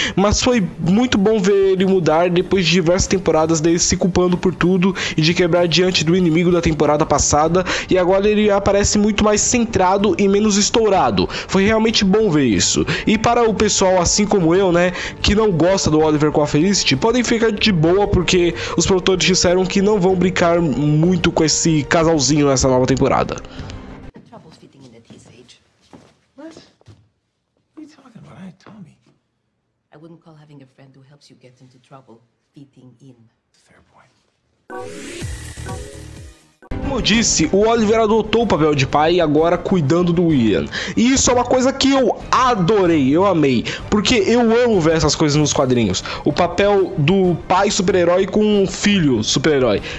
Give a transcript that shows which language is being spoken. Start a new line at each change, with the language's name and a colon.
Portuguese: Mas foi muito bom ver ele mudar depois de diversas temporadas dele se culpando por tudo e de quebrar diante do inimigo da temporada passada, e agora ele aparece muito mais centrado e menos estourado. Foi realmente bom ver isso. E para o pessoal assim como eu, né, que não gosta do Oliver com a Felicity, podem ficar de boa porque os produtores disseram que não vão brincar muito com esse casalzinho nessa nova temporada.
English: Trouble fitting into this age. What? What are you talking about? I told me. I wouldn't call having a friend who helps you get into trouble fitting in. Fair point.
Portuguese: Como eu disse, o Oliver adotou o papel de pai e agora cuidando do Ian. E isso é uma coisa que eu adorei, eu amei. Porque eu amo ver essas coisas nos quadrinhos. O papel do pai super-herói com o filho super-herói.